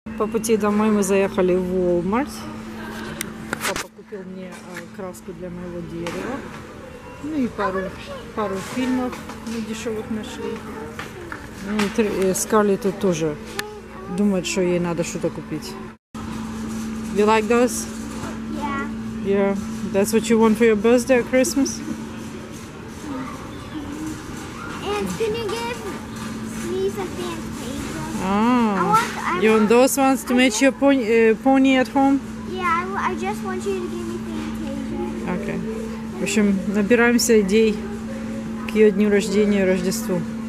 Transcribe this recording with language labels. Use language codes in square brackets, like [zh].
[ru] пути домой мы заехали в Walmart. Папа купил мне краску для моего дерева. Ну и пару фильмов мы дешевых нашли. Скарли тут тоже думает, что ей надо что-то купить. [en] You like those? Yeah. Yeah. That's what you want for your birthday or Christmas? And can you give me some fan paper? Oh. You want those ones to match your pony at home? Yeah, I just want you to give me fan paper. Okay. [ru] В общем, набираемся идей к ее дню рождения и Рождеству.